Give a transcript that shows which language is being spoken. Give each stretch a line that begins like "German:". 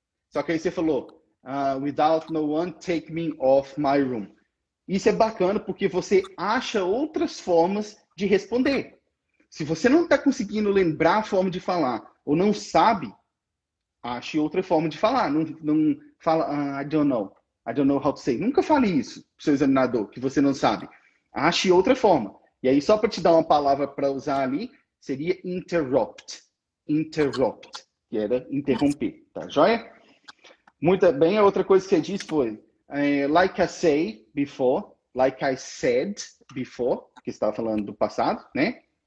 Portuguese: Só que aí você falou,
English: without no one take me off my room.
Portuguese: Isso é bacana porque você acha outras formas de responder. Se você não está conseguindo lembrar a forma de falar ou não sabe, ache outra forma de falar. Não fala,
English: I don't know how to say.
Portuguese: Nunca fale isso para o seu examinador, que você não sabe. Ache outra forma. E aí, só para te dar uma palavra para usar ali, seria interrupt. Interrupt, que era interromper. Tá joia? Muito bem, a outra coisa que você disse foi
English: like I say before, like I said before,
Portuguese: que você estava falando do passado, né?